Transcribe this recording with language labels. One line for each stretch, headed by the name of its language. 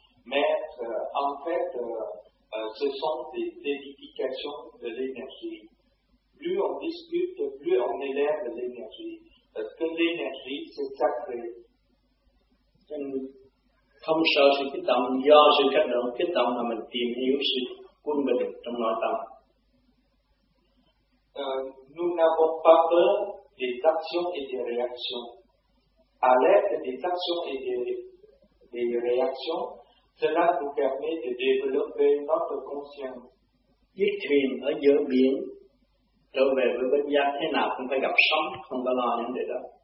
French: Mais en fait, ce sont des édifications de l'énergie. Plus on discute, plus on élève l'énergie. Parce que l'énergie, c'est sacré.
Vietnamese: Không sợ sự kích động, do sự kích động, kích động là mình tìm hiểu sự quân bình trong nội tâm.
French: Nous n'avons pas peur des actions et des réactions. À l'aide des actions et des réactions, cela nous permet de développer notre conscience.
Vietnamese: Chiếc thuyền ở giữa biển, trở về với bên giác thế nào cũng phải gặp sóng, không có lo những điều đó.